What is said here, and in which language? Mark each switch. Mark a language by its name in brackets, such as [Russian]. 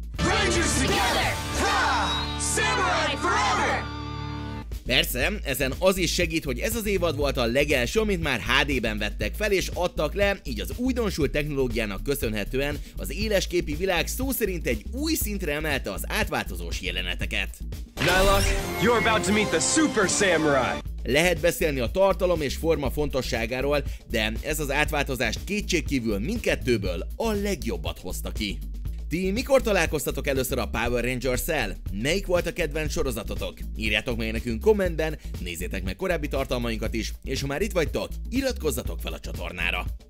[English] Rangers together! Ha! Samurai forever! [Hungarian] Persze, ezen az is segít, hogy ez az évad volt a legelső, amit már HD-ben vettek fel és adtak le, így az újdonsult technológiának köszönhetően az élesképi világ szó szerint egy új szintre emelte az átváltozós jeleneteket. [English] Nylock, you're about to meet the Super Samurai! [Hungarian] Lehet beszélni a tartalom és forma fontosságáról, de ez az átváltozás kétségkívül mindkettőből a legjobbat hozta ki. Ti mikor találkoztatok először a Power Rangers-szel? Melyik volt a kedvenc sorozatotok? Írjátok meg nekünk kommentben, nézzétek meg korábbi tartalmainkat is, és ha már itt vagytok, iratkozzatok fel a csatornára!